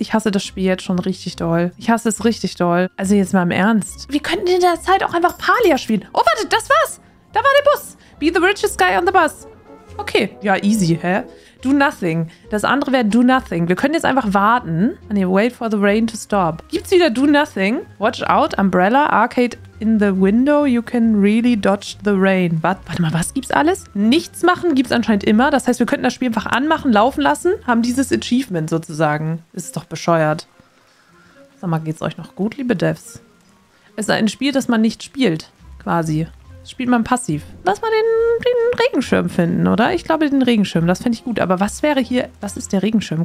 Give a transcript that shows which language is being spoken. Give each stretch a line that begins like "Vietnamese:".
German: Ich hasse das Spiel jetzt schon richtig doll. Ich hasse es richtig doll. Also jetzt mal im Ernst. Wir könnten in der Zeit auch einfach Palia spielen. Oh, warte, das war's. Da war der Bus.
English: Be the richest guy on the bus.
German: Okay. Ja, easy, hä?
English: Do nothing.
German: Das andere wäre
English: do nothing.
German: Wir können jetzt einfach warten.
English: Nee, wait for the rain to stop.
German: Gibt's wieder
English: do nothing? Watch out, umbrella, arcade in the window. You can really dodge the rain.
German: Warte mal, was gibt's alles? Nichts machen gibt's anscheinend immer. Das heißt, wir könnten das Spiel einfach anmachen, laufen lassen. Haben dieses Achievement sozusagen. Ist doch bescheuert. Sag mal, geht's euch noch gut, liebe Devs? Es ist ein Spiel, das man nicht spielt, quasi. Spielt man passiv. Lass mal den Regenschirm finden, oder? Ich glaube, den Regenschirm. Das fände ich gut. Aber was wäre hier... Was ist der Regenschirm?